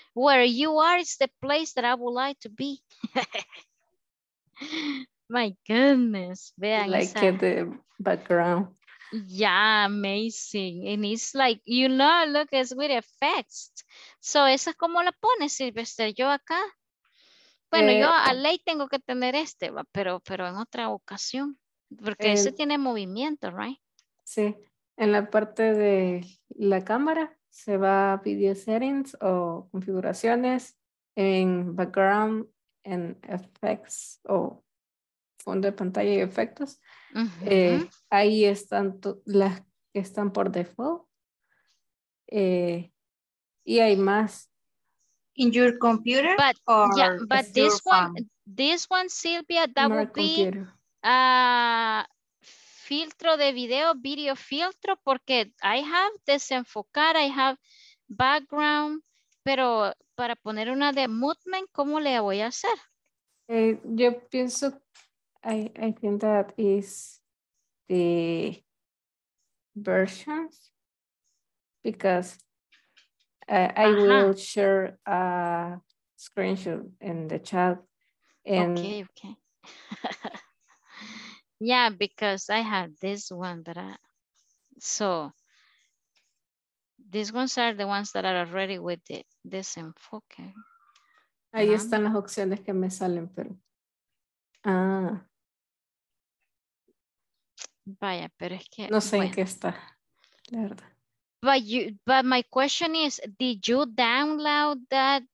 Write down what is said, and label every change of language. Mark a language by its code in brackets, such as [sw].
[en] Where you are is the place that I would like to be. My goodness. [es] Vean, [en] like in the background. Yeah, amazing. And it's like, you know, look, it's with effects. [es] So, ¿esa cómo la pone, Sylvia? ¿Estar yo acá? Bueno, yo a ley tengo que tener este, pero en otra ocasión, porque ese tiene movimiento, [en] right? [es] Sí, en la parte de la cámara se va a video settings o configuraciones, en background, en effects o fondo de pantalla y efectos. Ahí están las que están por default y hay más. [en] In your computer, but or yeah, but this one, phone? This one, Sylvia, that would be a [es] filtro de video, video filtro, porque [en] I have [es] desenfocar, [en] I have [es] background, pero para poner una de movement, ¿cómo le voy a hacer? Yo pienso, [en] I think that is the versions, because I will share a screenshot in the chat. And okay, okay. Yeah, because I have this one that I, so these ones are the ones that are already with the desenfoque. [es] Ahí están las opciones que me salen, pero. Ah. Vaya, pero es que. No sé bueno. En qué está, la verdad. [en] But my question is, did you download that